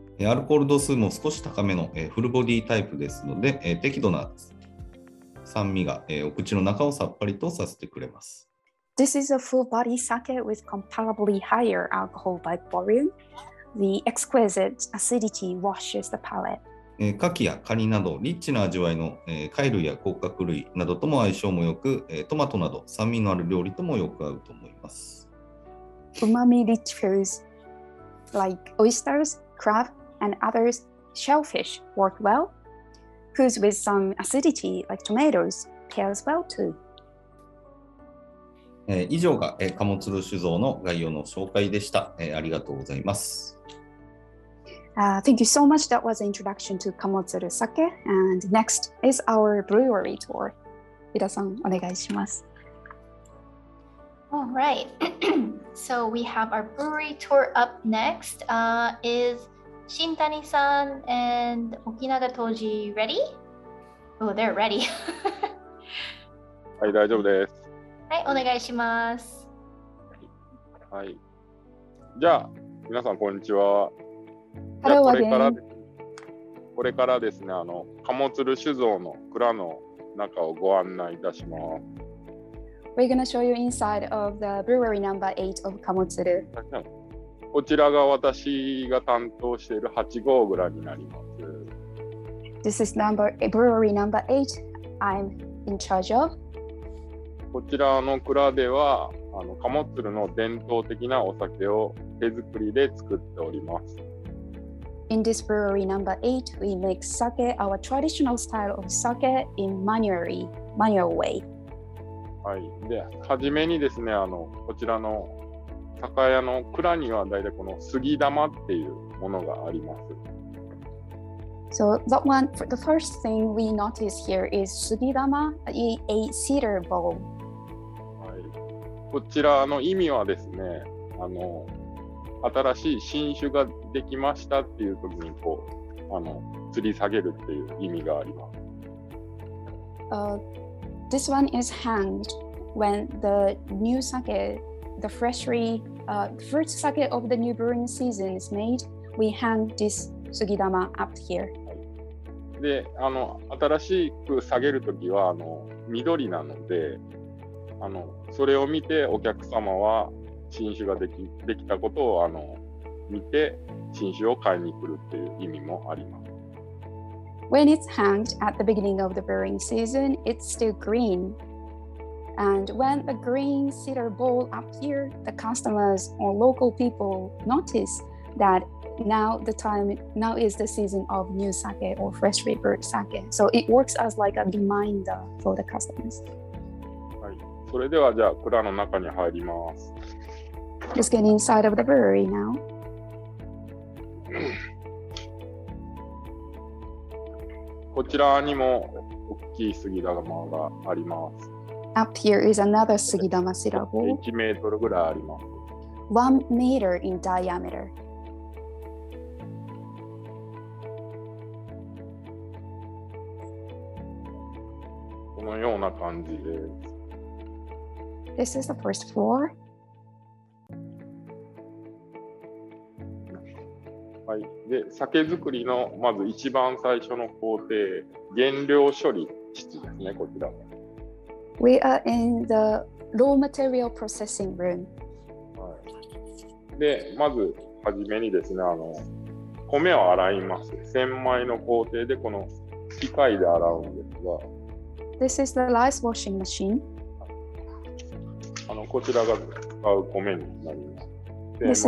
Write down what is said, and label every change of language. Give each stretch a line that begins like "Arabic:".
Japanese: アルコール度数も少し高めのフルボディタイプですので、適度な酸味がお口の中をさっぱりとさせてくれます。
English: This is a full body sake with comparably higher alcohol by volume. The exquisite acidity washes the palate.
Japanese: 牡蠣やカニなどリッチな味わいの貝類や甲殻類などとも相性もよく、トマトなど酸味のある料理ともよく合うと思います。
English: Umami rich foods like oysters, crab, and others, shellfish work well. Foods with some acidity like tomatoes pairs well too.
Japanese: 以上が貨物路酒造の概要の紹介でした。ありがとうございます。
English: Thank you so much. That was an introduction to 貨物 sake. And next is our brewery tour.
Japanese: 井田さん、お願いします。
English: All right, so we have our brewery tour up next. Is Shintani-san and Okinaga Toji ready? Oh, they're ready.
Japanese: はい、大丈夫です。はい、お願いします。はい。じゃあ、皆さんこんにちは。
English: Hello again.
Japanese: これからですね、貨物酒造の蔵の中をご案内いたします。
English: We're going to show you inside of the brewery number 8 of Kamotsuru.
Japanese: こちらが私が担当している8号蔵になります。
English: This is brewery number 8 I'm in charge of.
Japanese: こちらの蔵では、Kamotsuru の伝統的なお酒を手作りで作っております。
English: In this brewery number 8, we make sake, our traditional style of sake, in manual way.
Japanese: はい、で初めにですね、こちらの酒屋の蔵にはだいたいこの杉玉っていうものがあります。
English: So that one, the first thing we notice here is 杉玉, a cedar bowl.
Japanese: はい、こちらの意味はですね、新しい新酒ができましたっていう時にこう吊り下げるっていう意味があります。
English: This one is hanged when the new sake, the freshly, first sake of the new brewing season is made. We hang this sugidama up here.
Japanese: で、新しく下げるときは緑なので、それを見てお客様は新酒ができたことを見て新酒を買いに来るっていう意味もあります。
English: When it's hanged at the beginning of the brewing season, it's still green. And when the green cedar bowl appears, the customers or local people notice that now is the season of new sake or freshly brewed sake. So it works as like a reminder for the customers.
Japanese: はい、それではじゃあ蔵の中に入ります。
English: Let's get inside of the brewery now.
Japanese: こちらにも大きい杉玉があります。
English: Up here is another 杉玉シラボ。
Japanese: 1メートルぐらいあります。
English: 1 meter in diameter。
Japanese: このような感じです。
English: This is the first floor.
Japanese: はい。で、酒造りのまず一番最初の工程。原料処理室ですね、こちら。
English: We are in the raw material processing room.
Japanese: はい。で、まずはじめにですね、米を洗います。千枚の工程でこの機械で洗うんですが。
English: This is the rice washing machine.
Japanese: あのこちらが使う米になります。